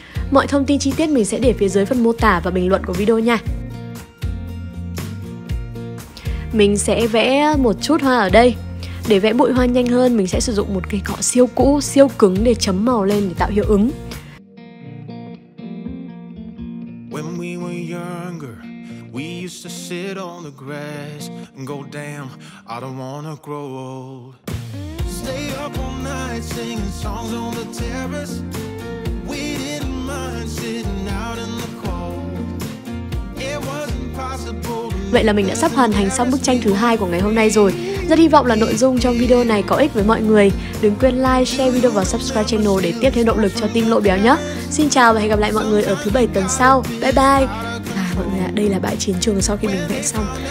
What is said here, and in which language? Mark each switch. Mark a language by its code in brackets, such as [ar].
[vi] Mọi thông tin chi tiết mình sẽ để phía dưới phần mô tả và bình luận của video nha. Mình sẽ vẽ một chút hoa ở đây. Để vẽ bụi hoa nhanh hơn, mình sẽ sử dụng một cây cọ siêu cũ, siêu cứng để chấm màu lên để tạo hiệu ứng. [en] When we were younger, we used to sit on the grass and go damn, I don't wanna grow old. Stay up all night singing songs on the terrace. We didn't mind sitting out in the cold. It wasn't possible. [vi] Vậy là mình đã sắp hoàn thành xong bức tranh thứ hai của ngày hôm nay rồi. Rất hy vọng là nội dung trong video này có ích với mọi người. Đừng quên like, share video và subscribe channel để tiếp thêm động lực cho team Lộ Béo nhé. Xin chào và hẹn gặp lại mọi người ở thứ bảy tuần sau. Bye bye. Mọi người ạ, đây là bãi chiến trường sau khi mình vẽ xong.